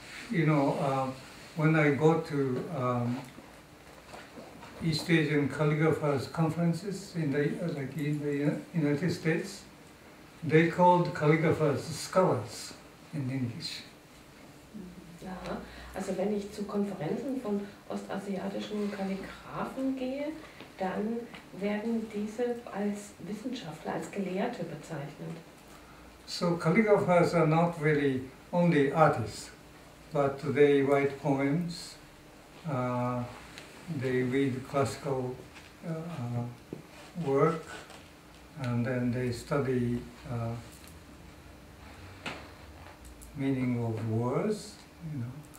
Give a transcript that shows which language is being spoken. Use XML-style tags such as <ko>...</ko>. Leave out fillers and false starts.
<en>You know, when I go to East Asian calligraphers conferences in the United States, they called calligraphers scholars in English.</en> <de>Ja, also wenn ich zu Konferenzen von ostasiatischen Kalligraphen gehe, dann werden diese als Wissenschaftler, als Gelehrte bezeichnet.</de> <en>So calligraphers are not really only artists, but they write poems, they read classical work, and then they study meaning of words, you know.</en>